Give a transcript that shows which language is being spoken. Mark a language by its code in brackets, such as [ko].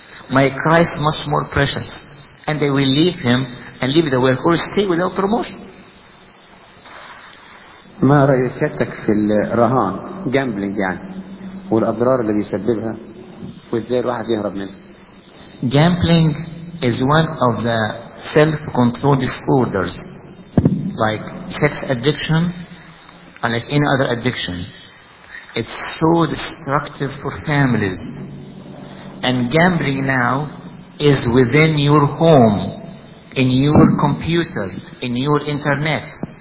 [en] My Christ much more precious. And they will leave him and leave the work or stay without promotion. [ar] ما رئيسيتك في الرهان gambling يعني والأضرار اللي بيسببها وإزاي الواحد يهرب منها؟ [en] Gambling is one of the self-control disorders like sex addiction and like any other addiction. It's so destructive for families. And gambling now is within your home, in your computer, in your internet.